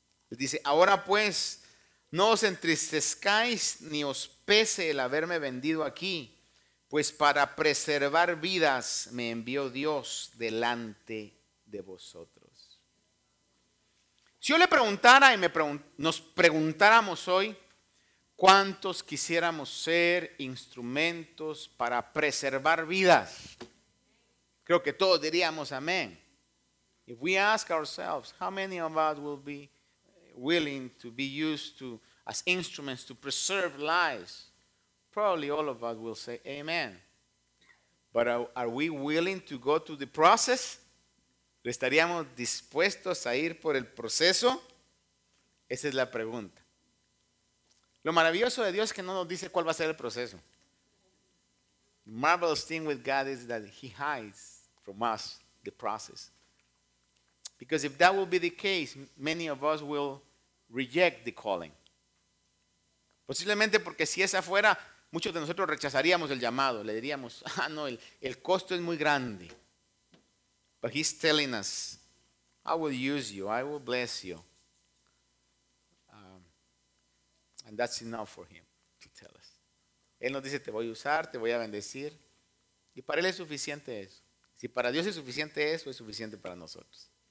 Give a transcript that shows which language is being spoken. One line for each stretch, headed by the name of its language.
Spanish: Les dice, ahora pues, no os entristezcáis ni os pese el haberme vendido aquí, pues para preservar vidas me envió Dios delante de vosotros. Si yo le preguntara y nos preguntáramos hoy, ¿cuántos quisiéramos ser instrumentos para preservar vidas? Creo que todos diríamos amén.
English: If we ask ourselves, how many of us will be willing to be used to as instruments to preserve lives, probably all of us will say amen. But are we willing to go through the process?
Spanish: ¿Estaríamos dispuestos a ir por el proceso? Esa es la pregunta. Lo maravilloso de Dios es que no nos dice cuál va a ser el proceso.
English: The marvelous thing with God is that he hides from us the process. Because if that will be the case, many of us will reject the calling.
Spanish: Posiblemente porque si esa fuera, muchos de nosotros rechazaríamos el llamado. Le diríamos, ah no, el costo es muy grande.
English: But he's telling us, I will use you, I will bless you. And that's enough for him to tell us.
Spanish: Él nos dice, te voy a usar, te voy a bendecir. Y para él es suficiente eso. Si para Dios es suficiente para nosotros.